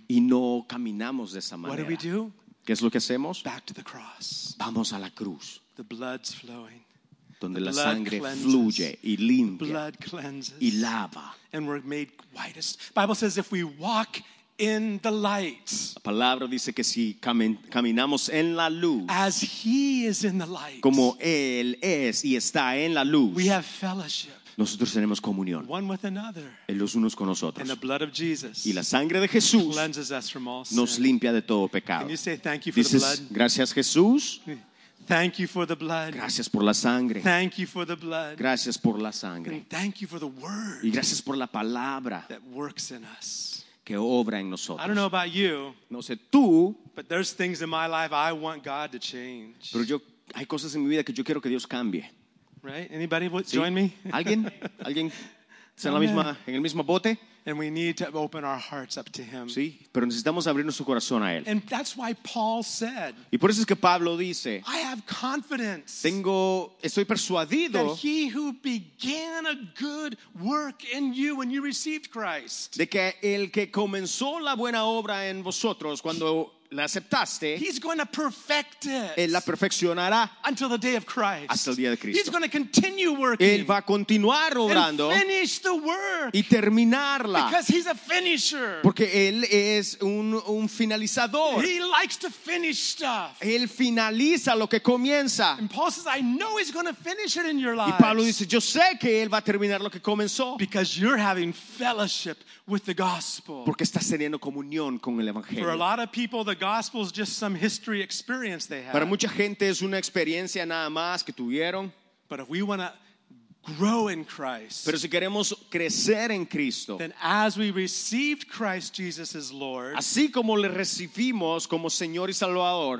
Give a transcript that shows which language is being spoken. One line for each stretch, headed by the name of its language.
Spanish: Y no caminamos de esa manera.
English: What do we do?
Spanish: ¿Qué es lo que hacemos?
English: Back to the cross.
Spanish: Vamos a la cruz.
English: The blood's flowing.
Spanish: Donde
English: the
Spanish: la sangre fluye y limpia.
English: Blood cleanses.
Spanish: Y lava.
English: And we're made whitest. Bible says if we walk in the light.
Spanish: La palabra dice que si caminamos en la luz.
English: As he is in the light.
Spanish: Como él es y está en la luz.
English: We have fellowship.
Spanish: Nosotros tenemos comunión.
English: One with another.
Spanish: En los unos con nosotros.
English: And the blood of Jesus.
Spanish: Y la sangre de Jesús.
English: Cleanses us from all sin.
Spanish: Nos limpia de todo pecado.
English: Can you say thank you for
Spanish: dices,
English: the blood?
Spanish: Gracias Jesús.
English: Thank you for the blood.
Spanish: Gracias por la sangre.
English: Thank you for the blood.
Spanish: Gracias por la sangre.
English: And thank you for the word.
Spanish: Y gracias por la palabra.
English: That works in us.
Spanish: Que obra en nosotros.
English: I don't know about you,
Spanish: no sé tú,
English: but there's things in my life I want God to change.
Spanish: Pero yo, hay cosas en mi vida que yo quiero que Dios cambie.
English: Right? Anybody would join
Spanish: sí.
English: me?
Spanish: ¿Alguien? ¿Alguien está en la misma, en el mismo bote?
English: And we need to open our hearts up to Him.
Spanish: Sí, pero necesitamos abrir nuestro corazón a Él.
English: And that's why Paul said,
Spanish: y por eso es que Pablo dice,
English: I have confidence
Spanish: tengo, estoy persuadido
English: that He who began a good work in you when you received Christ,
Spanish: de que el que comenzó la buena obra en vosotros cuando la aceptaste,
English: He's going to perfect it.
Spanish: Él la perfeccionará
English: until the day of Christ.
Spanish: Hasta el día de Cristo.
English: He's going to continue working.
Spanish: Él va a continuar obrando
English: and finish the work
Spanish: y terminarla.
English: Because He's a finisher.
Spanish: Porque Él es un finalizador.
English: He likes to finish stuff.
Spanish: Él finaliza lo que comienza.
English: And Paul says, I know He's going to finish it in your lives.
Spanish: Y Pablo dice, yo sé que Él va a terminar lo que comenzó.
English: Because you're having fellowship with the gospel.
Spanish: Porque estás teniendo comunión con el evangelio.
English: For a lot of people, the gospel is just some history experience they have.
Spanish: Para mucha gente es una experiencia nada más que tuvieron.
English: But if we want to grow in Christ,
Spanish: pero si queremos crecer en Cristo,
English: then as we received Christ Jesus as Lord,
Spanish: así como le recibimos como Señor y Salvador,